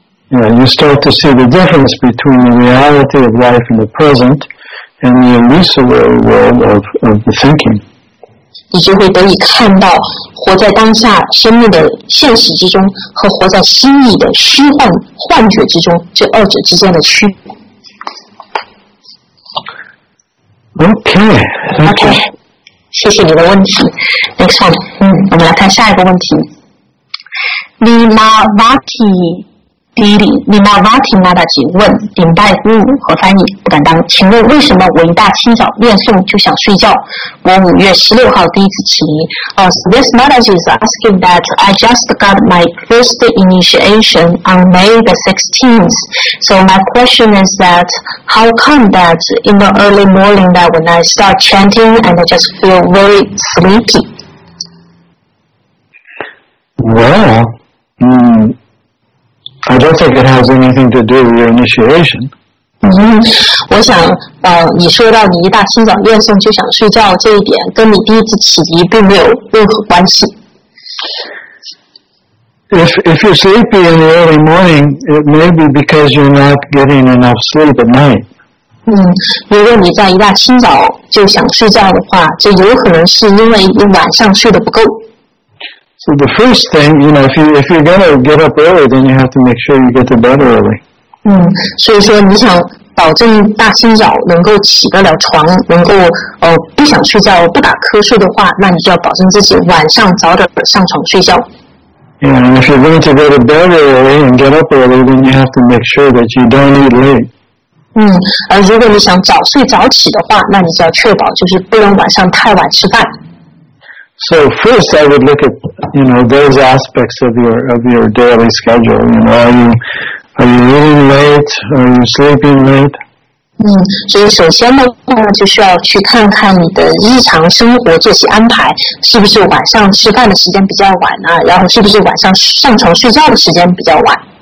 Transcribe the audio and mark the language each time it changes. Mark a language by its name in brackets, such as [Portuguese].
[English] yeah, You start to see the difference between the reality of life in the present and the illusory world of the thinking [Chinese] 你就会得以看到活在当下生命的现实之中和活在心意的虚幻幻觉之中这二者之间的区别 [English] Okay, thank you [Chinese] 谢谢你的问题 [English] Next one、 [Chinese] 我们来看下一个问题 Nimavati Didi Nimavati Madaji 问顶拜侮辱和翻译不敢当请问为什么我一大清早念诵就想睡觉我5月16号第一次起礼、 [English] So this Madaji is asking that I just got my first initiation on May the 16th So my question is thatHow come that in the early morning that when I start chanting and I just feel very sleepy? Well, I don't think it has anything to do with your initiation. [Chinese] 我想你说到你一大清早念诵就想睡觉这一点跟你第一次起疑并没有任何关系。 [English] If you're sleepy in the early morning, it may be because you're not getting enough sleep at night. [Chinese] 如果你在一大清早就想睡觉的话，这有可能是因为你晚上睡得不够。 [English] So the first thing, you know, if you're going to get up early, then you have to make sure you get to bed early. [Chinese] 所以说你想保证大清早能够起得了床，能够不想睡觉不打瞌睡的话，那你就要保证自己晚上早点上床睡觉。 [English] Yeah, and if you're going to go to bed early and get up early, then you have to make sure that you don't eat late. [Chinese] 而如果你想早睡早起的话，那你就要确保就是不能晚上太晚吃饭。 [English] So first, I would look at those aspects of your daily schedule. Are you eating late? Are you sleeping late? [Chinese] 所以首先呢，就需要去看看你的日常生活作息安排，是不是晚上吃饭的时间比较晚啊？然后是不是晚上上床睡觉的时间比较晚